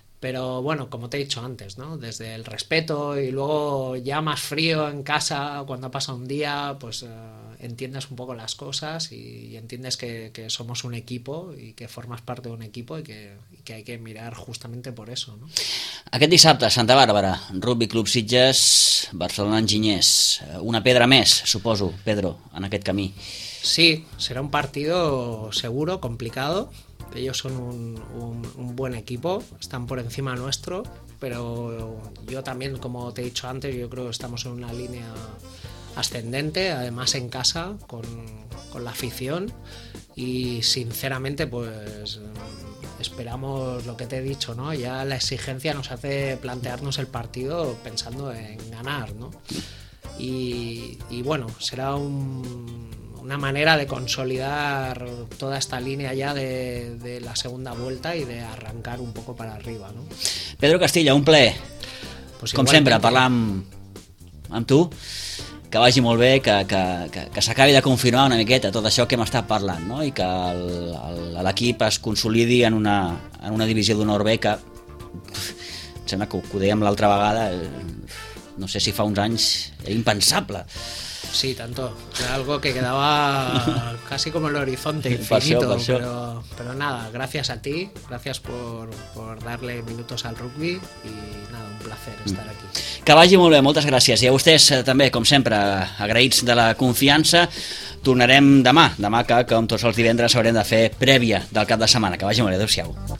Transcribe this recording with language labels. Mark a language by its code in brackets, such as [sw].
[es] Pero bueno, como te he dicho antes, ¿no? Desde el respeto, y luego ya más frío en casa, cuando pasa un día, pues entiendes un poco las cosas y entiendes que somos un equipo y que formas parte de un equipo y que hay que mirar justamente por eso, ¿no? [ca] Aquest dissabte, Santa Bàrbara, Rugby Club Sitges, Barcelona Enginyers. Una pedra més, suposo, Pedro, en aquest camí. [es] Sí, serà un partido seguro, complicado. Ellos son un buen equipo, están por encima nuestro, pero yo también, como te he dicho antes, yo creo que estamos en una línea ascendente, además en casa, con la afición, y sinceramente pues esperamos lo que te he dicho, ¿no? Ya la exigencia nos hace plantearnos el partido pensando en ganar, ¿no? Y bueno, será una manera de consolidar toda esta línea ya de la segunda vuelta y de arrancar un poco para arriba, ¿no? [ca] Pedro Castilla, un plaer. Pues com sempre, parlar amb tu. Que vagi molt bé, que s'acabi de confirmar una miqueta tot això que hem estat parlant, no? I que l'equip es consolidi en una divisió d'honor B, que em sembla que ho dèiem l'altra vegada, no sé si fa uns anys, era impensable. [es] Sí, tanto. Era algo que quedaba casi como el horizonte infinito. Pasó. Pero nada, gracias a ti, gracias por darle minutos al rugby, y nada, un placer estar aquí. [ca] Que vagi molt bé, moltes gràcies. I a vostès també, com sempre, agraïts de la confiança. Tornarem demà que, com tots els divendres, haurem de fer prèvia del cap de setmana. Que vagi molt bé, adeu-siau.